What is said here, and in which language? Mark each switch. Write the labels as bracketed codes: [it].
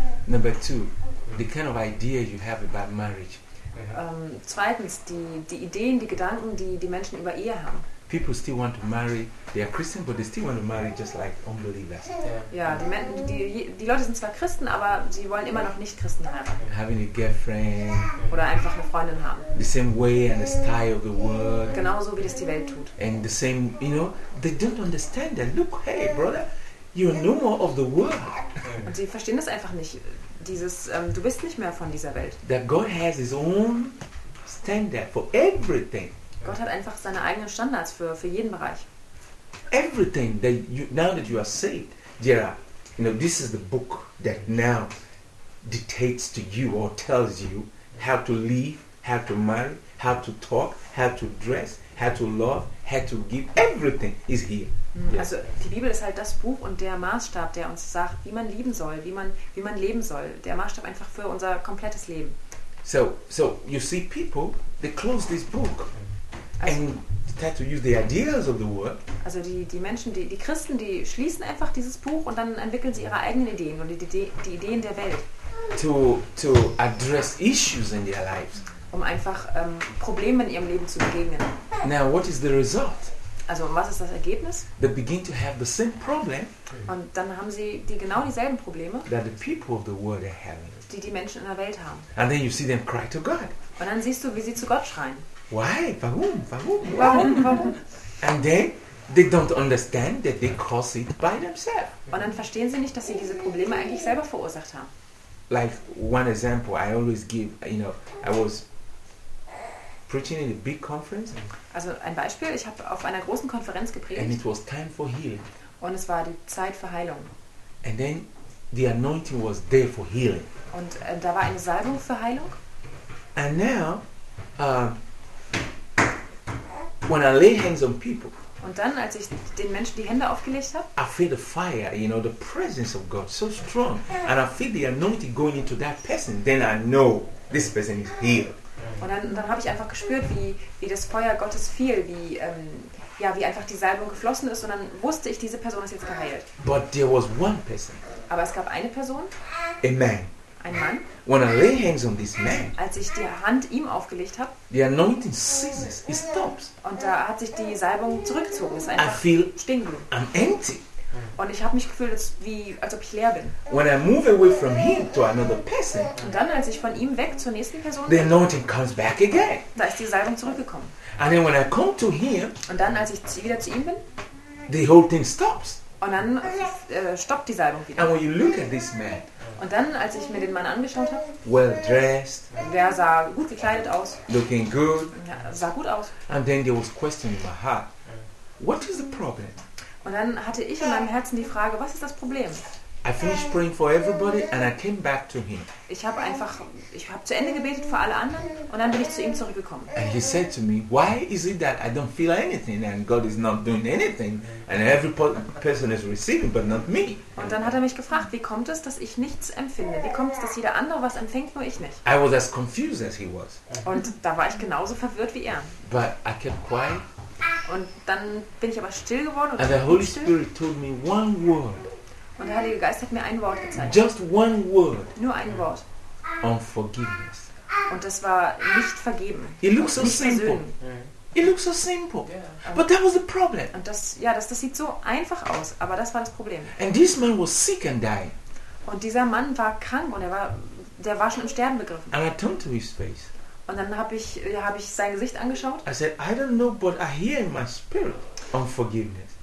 [en] Number two, the kind of idea you have about marriage. [de] Zweitens die Ideen, die Gedanken, die Menschen über Ehe haben. [en] People still want to marry. They are Christian, but they still want to marry just like unbelievers. Yeah. [de] Ja, die Leute sind zwar Christen, aber sie wollen immer noch nicht Christen heiraten. [en] Having a girlfriend. [de] Oder einfach eine Freundin haben. [en] The same way and the style of the world. [de] Genauso wie das die Welt tut. [en] And the same, you know, they don't understand that. Look, hey, brother, you're no more of the world. [de] Und sie verstehen das einfach nicht. Dieses, du bist nicht mehr von dieser Welt. [en] That God has his own standard for everything. Yeah. [de] Gott hat einfach seine eigenen Standards für jeden Bereich. [en] Everything that you, now that you are saved, there are, you know, this is the book that now dictates to you or tells you how to live, how to marry, how to talk, how to dress, how to love, how to give. Everything is here. [de] Also die Bibel ist halt das Buch und der Maßstab, der uns sagt, wie man lieben soll, wie man leben soll. Der Maßstab einfach für unser komplettes Leben. [en] So you see people, they close this book and try to use the ideas of the world. [de] Also die Menschen, die Christen, die schließen einfach dieses Buch und dann entwickeln sie ihre eigenen Ideen und die Ideen der Welt. [en] To address issues in their lives. [de] Um einfach Probleme in ihrem Leben zu begegnen. [en] Now what is the result? [de] Also, was ist das Ergebnis? [en] They begin to have the same problem. [de] Und dann haben sie genau dieselben Probleme. [en] That the people of the world are having. [de] Die Menschen in der Welt haben. [en] And then you see them cry to God. [de] Und dann siehst du, wie sie zu Gott schreien. [en] Why? [de] Warum? Warum? Warum? Warum? [en] And then they don't understand that they cause it by themselves. [de] Und dann verstehen sie nicht, dass sie diese Probleme eigentlich selber verursacht haben. [en] Like one example I always give, you know, I was preaching in a big conference. [de] Also ein Beispiel, ich habe auf einer großen Konferenz gepredigt. [en] And it was time for healing. [de] Und es war die Zeit für Heilung. [en] And then the anointing was there for healing. [de] Und da war eine Salbung für Heilung. [en] And now when I lay hands on people. [de] Und dann als ich den Menschen die Hände aufgelegt habe, [en] I feel the fire, you know, the presence of God so strong. And I feel the anointing going into that person, then I know this person is healed. [de] Und dann habe ich einfach gespürt, wie das Feuer Gottes fiel, wie einfach die Salbung geflossen ist, und dann wusste ich, diese Person ist jetzt geheilt. [en] But there was one person. [de] Aber es gab eine Person. [en] A man. [de] Ein Mann. [en] When I lay hands on this man, [de] als ich die Hand ihm aufgelegt habe, [en] the anointing ceases, it stops. [de] Und da hat sich die Salbung zurückgezogen. Es ist einfach, [en] I feel [de] stehen geblieben. [en] I'm empty. [de] Und ich habe mich gefühlt, als ob ich leer bin. [en] When I move away from him to another person, [de] und dann, als ich von ihm weg zur nächsten Person, [en] the anointing comes back again. [de] Da ist die Salbung zurückgekommen. [en] And then when I come to him, [de] und dann, als ich wieder zu ihm bin, [en] the whole thing stops. [de] Und dann stoppt die Salbung wieder. [en] And when you look at this man, [de] und dann, als ich mir den Mann angeschaut habe, [en] well dressed, [de] der sah gut gekleidet aus, [en] looking good, [de] sah gut aus. [en] And then there was question in my heart, what is the problem? [de] Und dann hatte ich in meinem Herzen die Frage, was ist das Problem? [en] I finished praying for everybody and I came back to him. [de] Ich habe zu Ende gebetet für alle anderen und dann bin ich zu ihm zurückgekommen. [en] And he said to me, why is it that I don't feel anything and God is not doing anything and every person is receiving but not me? [de] Und dann hat er mich gefragt, wie kommt es, dass ich nichts empfinde? Wie kommt es, dass jeder andere was empfängt, nur ich nicht? [en] I was as confused as he was. [de] Und da war ich genauso verwirrt wie er. [en] But I kept quiet. [de] Und dann bin ich aber still geworden. [en] And the Holy Spirit told me one word. [de] Und der Heilige Geist hat mir ein Wort gezeigt. [en] Just one word. [de] Nur ein Wort. [en] Unforgiveness. [de] Und das war nicht vergeben. [en] It looks so simple. Yeah. It looks so simple. Yeah. But that was the problem. [de] Und das sieht so einfach aus, aber das war das Problem. [en] And this man was sick and dying. [de] Und dieser Mann war krank und der war schon im Sterben begriffen. [en] And I turned to his face. [de] Und dann habe ich sein Gesicht angeschaut. [en] I said, I don't know, but I hear in my spirit unforgiveness.